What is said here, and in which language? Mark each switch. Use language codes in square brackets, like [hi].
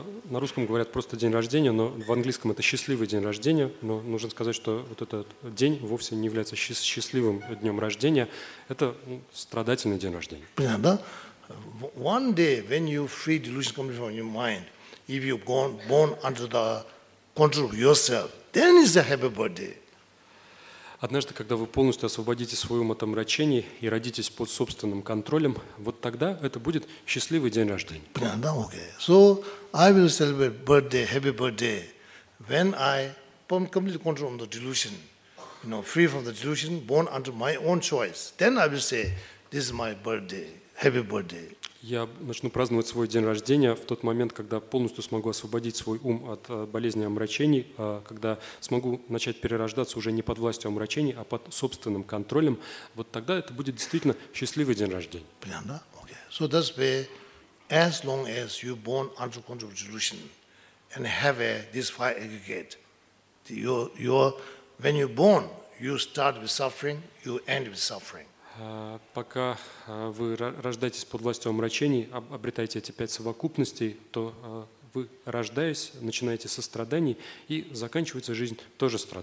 [ru] На русском говорят просто день рождения, но в английском это счастливый день рождения, но нужно сказать, что вот этот день вовсе не является счастливым днем рождения, это страдательный день рождения. Понятно, да? [en] One day, when you free delusion coming from your mind, if you born under the control of yourself, then is a happy birthday. [ru] Однажды, когда вы полностью освободите свой ум от омрачений и родитесь под собственным контролем, вот тогда это будет счастливый день рождения. Понятно, окей. [en] So, I will celebrate birthday, happy birthday, when I complete control of the delusion, you know, free from the delusion, born under my own choice. Then I will say, this is my birthday, happy birthday. [ru] Я начну праздновать свой день рождения в тот момент, когда полностью смогу освободить свой ум от болезни омрачений, когда смогу начать перерождаться уже не под властью омрачений, а под собственным контролем. Вот тогда это будет действительно счастливый день рождения. Понятно, да? Okay. [en] So that's where, as long as you born under control of delusion and have this fire aggregate, when you born, you start with suffering, you end with suffering. [ru] Пока вы рождаетесь под властью омрачений, обретаете эти пять совокупностей, то вы, рождаясь, начинаете со страданий и заканчивается жизнь тоже